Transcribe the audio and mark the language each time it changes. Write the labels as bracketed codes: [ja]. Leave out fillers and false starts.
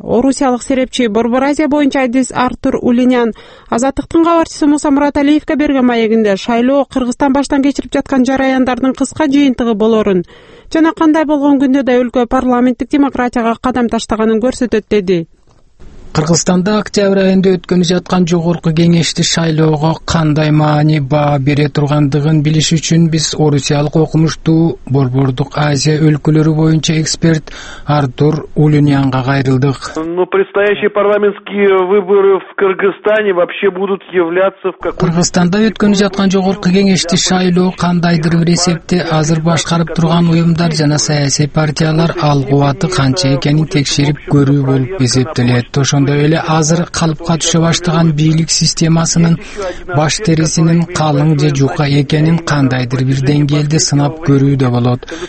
[ky] Орусиялык серепчи Борбор Азия боюнча айдис Артур Улинян Азаттыктын кабарчысы Муса Мураталиевке берген маегинде шайлоо Кыргызстан баштан кечирип жаткан жараяндардын кыска жыйынтыгы болорун жана кандай болгон күндө да өлкө парламенттик демократияга кадам таштаганын көрсөтөт деди. Кыргызстанда октябрь айында өткөнү жаткан жогорку кеңешти шайлоого кандай маани баа бере тургандыгын билиш үчүн биз орусиялык окумуштуу борбордук Азия өлкөлөрү боюнча эксперт Артур Улинянга кайрылдык. [ru] Ну предстоящие парламентские выборы в Кыргызстане вообще будут являться в каком-то. [ky] Кыргызстанда өткөнү жаткан жогорку кеңешти шайлоо кандайдыр бир эсепте азыр башкарып турган уюмдар жана саясий партиялар ал кубаты канча экенин текшерип көрүү болуп эсептелет. Ошондой эле азыр калыпка түшө баштаган бийлик системасынын баш терисинин калың же жука экенин кандайдыр бир деңгээлде сынап көрүү да болот.